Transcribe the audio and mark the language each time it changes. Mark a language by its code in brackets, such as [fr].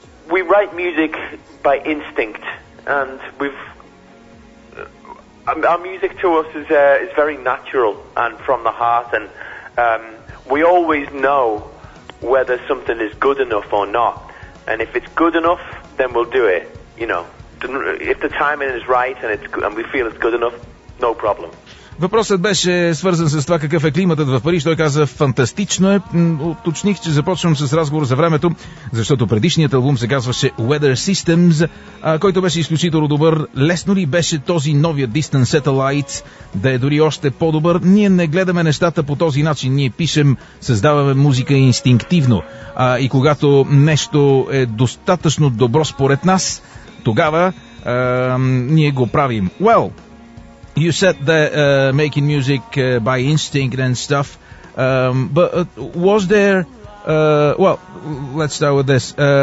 [en] We write music by instinct, and our music to us is very natural and from the heart, and we always know whether something is good enough or not. And if it's good enough, then we'll do it, you know. If the timing is right and we feel it's good enough, no problem. [bg] Въпросът беше свързан с това какъв е климатът в Париж. Той каза, фантастично е. Уточних, че започвам с разговор за времето, защото предишният албум се казваше Weather Systems, който беше изключително добър. Лесно ли беше този новия Distant Satellites да е дори още по-добър? Ние не гледаме нещата по този начин. Ние пишем, създаваме музика инстинктивно. И когато нещо е достатъчно добро според нас, тогава ние го правим. [en] Well, you said that making music by instinct and stuff, but was there, well, let's start with this.